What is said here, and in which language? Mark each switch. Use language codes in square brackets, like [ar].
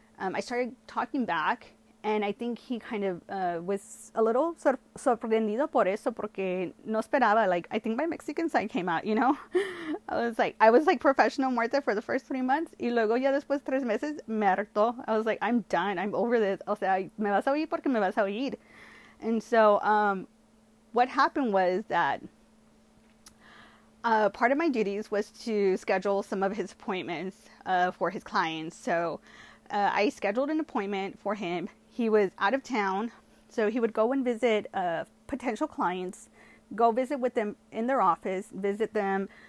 [en] I started talking back, and I think he kind of was a little [es] sorprendido por eso, porque no esperaba. [en] Like, I think my Mexican side came out, I was like professional Martha for the first 3 months, [es] y luego ya después 3 meses me harto. [en] I was like, I'm done, I'm over this. [es] O sea, me vas a oír porque me vas a oír. [en] And so, what happened was that part of my duties was to schedule some of his appointments for his clients. So, I scheduled an appointment for him. He was out of town, so he would go and visit potential clients, go visit with them in their office, visit them.